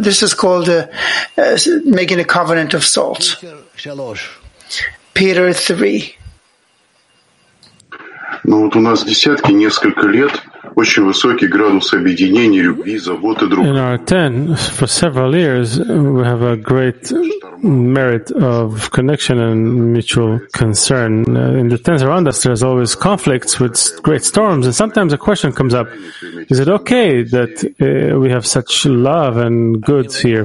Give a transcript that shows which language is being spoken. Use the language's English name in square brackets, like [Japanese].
[English] This is called making a covenant of salt. Peter 3. [Russian] Ну вот у нас десятки, несколько лет очень высокий градус объединения, любви, заботы друг. [English] In our 10, for several years, we have a great merit of connection and mutual concern. In the 10s around us, there's always conflicts with great storms, and sometimes a question comes up, is it okay that we have such love and good here?